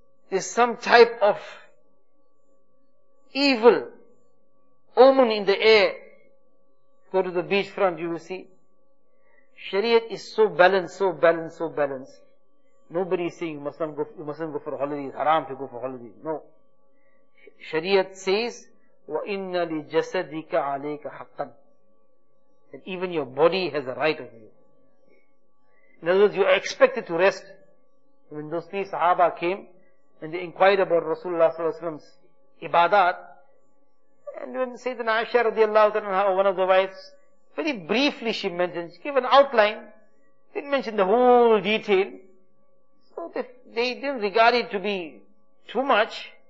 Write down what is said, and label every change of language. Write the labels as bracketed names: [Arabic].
[English] There's some type of evil omen in the air. Go to the beachfront, you will see. Shariat is so balanced, so balanced, so balanced. Nobody is saying you mustn't go for a holiday. It's haram to go for a holiday. No. Shariat says, [Arabic] وَإِنَّ لِجَسَدِكَ عَلَيْكَ حَقًّا. [English] And even your body has a right of you. In other words, you are expected to rest. When those three sahaba came, and they inquired about Rasulullah's ibadat, and when Sayyidina Aisha radiallahu ta'ala, one of the wives, very briefly she mentioned, she gave an outline, didn't mention the whole detail, so they didn't regard it to be too much.